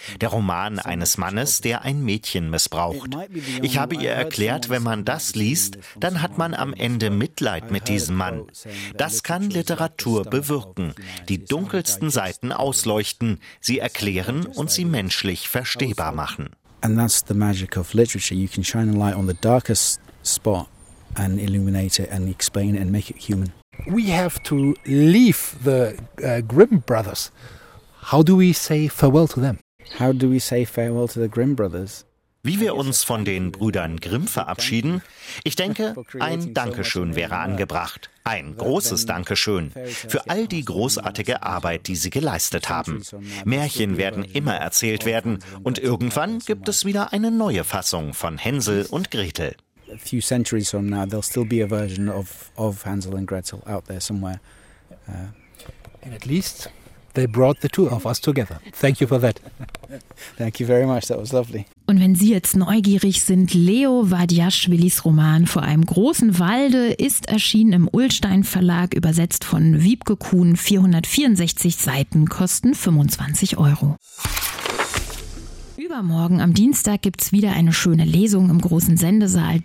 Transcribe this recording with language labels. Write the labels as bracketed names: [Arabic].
[German] Der Roman eines Mannes, der ein Mädchen missbraucht. Ich habe ihr erklärt, wenn man das liest, dann hat man am Ende Mitleid mit diesem Mann. Das kann Literatur bewirken. Die dunkelsten Seiten ausleuchten, sie erklären und sie menschlich verstehbar machen. [English] And that's the magic of literature. You can shine a light on the darkest spot and illuminate it and explain it and make it human. We have to leave the Grimm brothers. How do we say farewell to them? How do we say farewell to the Grimm brothers? [German] Wie wir uns von den Brüdern Grimm verabschieden? Ich denke, ein Dankeschön wäre angebracht. Ein großes Dankeschön für all die großartige Arbeit, die sie geleistet haben. Märchen werden immer erzählt werden und irgendwann gibt es wieder eine neue Fassung von Hänsel und Gretel. [English] A few centuries from now, there'll still be a version of Hansel and Gretel out there somewhere. And at least they brought the two of us together. Thank you for that. Thank you very much. That was lovely. [German] Und wenn Sie jetzt neugierig sind, Leo Vardjaschwilis Roman Vor einem großen Walde ist erschienen im Ullstein Verlag, übersetzt von Wiebke Kuhn. 464 Seiten, kosten 25 Euro. Übermorgen am Dienstag gibt es wieder eine schöne Lesung im großen Sendesaal.